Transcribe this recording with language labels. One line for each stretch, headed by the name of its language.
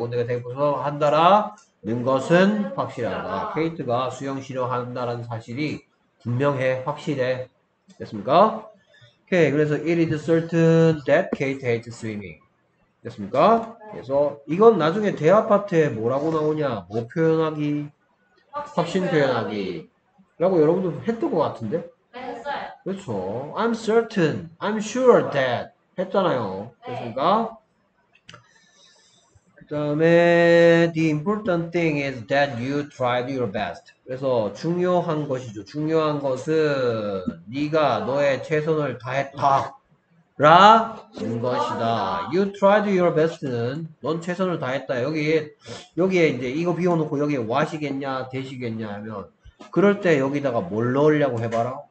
Korean: 근데 대부분 한다라 는 것은 확실하다. 케이트가 수영 싫어한다라는 사실이 분명해, 확실해. 됐습니까? 오케이, 그래서
English: it is certain that Kate hates swimming.
Korean: 됐습니까? 그래서 이건 나중에 대화 파트에 뭐라고 나오냐? 뭐 표현하기? 확신 표현하기라고 여러분도 했던 것 같은데? 그렇죠.
English: I'm certain. I'm sure that
Korean: 했잖아요. 그렇습니까? 그다음에
English: the important thing is that you tried your best.
Korean: 그래서 중요한 것이죠. 중요한 것은 네가 너의 최선을 다했다라는 것이다.
English: You tried your best는
Korean: 넌 최선을 다했다. 여기에 이제 이거 비워놓고 여기에 what이겠냐, 대시겠냐 하면 그럴 때 여기다가 뭘 넣으려고 해봐라.